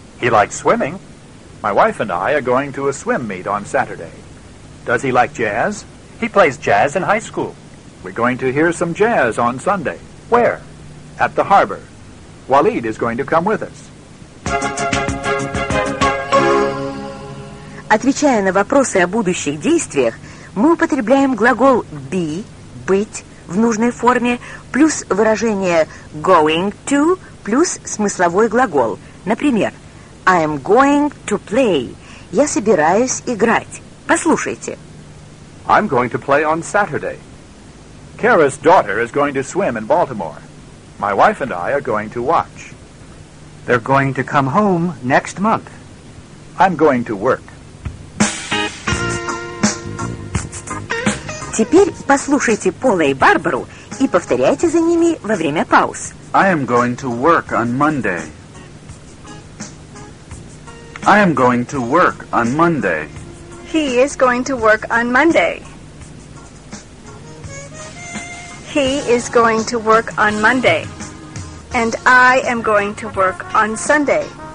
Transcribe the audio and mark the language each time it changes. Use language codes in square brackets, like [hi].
[en] He likes swimming. My wife and I are going to a swim meet on Saturday. Does he like jazz? He plays jazz in high school. We're going to hear some jazz on Sunday. Where? At the harbor. Waleed is going to come with us. [ru] Отвечая на вопросы о будущих действиях, мы употребляем глагол be, быть, в нужной форме, плюс выражение going to, плюс смысловой глагол. [en] Например, I am going to play. [ru] Я собираюсь играть. Послушайте. [en] I'm going to play on Saturday. Kara's daughter is going to swim in Baltimore. My wife and I are going to watch. They're going to come home next month. I'm going to work. [ru] Теперь послушайте Пола и Барбару и повторяйте за ними во время пауз. [en] I am going to work on Monday. I am going to work on Monday. He is going to work on Monday. He is going to work on Monday. And I am going to work on Sunday.